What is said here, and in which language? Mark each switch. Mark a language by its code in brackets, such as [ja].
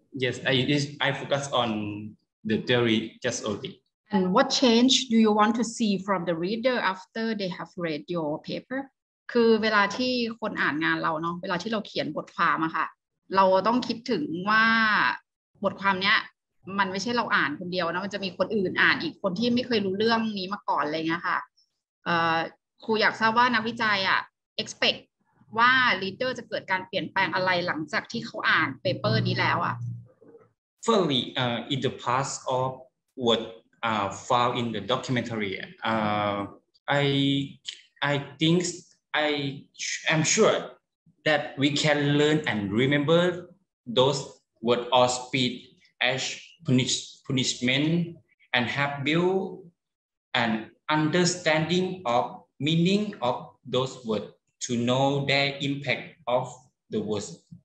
[en] Yes, I focus on the theory just only. And what change do you want to see from the reader after they have read your paper? [th] คือเวลาที่คนอ่านงานเราเนาะเวลาที่เราเขียนบทความอะค่ะเราต้องคิดถึงว่าบทความเนี้ยมันไม่ใช่เราอ่านคนเดียวนะมันจะมีคนอื่นอ่านอีกคนที่ไม่เคยรู้เรื่องนี้มาก่อนเลยนะคะครูอยากทราบว่านักวิจัยอะ expect ว่า reader จะเกิดการเปลี่ยนแปลงอะไรหลังจากที่เขาอ่าน paper นี้แล้วอะ [en] Firstly, in the past of what found in the documentary, I'm sure that we can learn and remember those words or speed as punishment and have built an understanding of meaning of those words to know their impact of the words.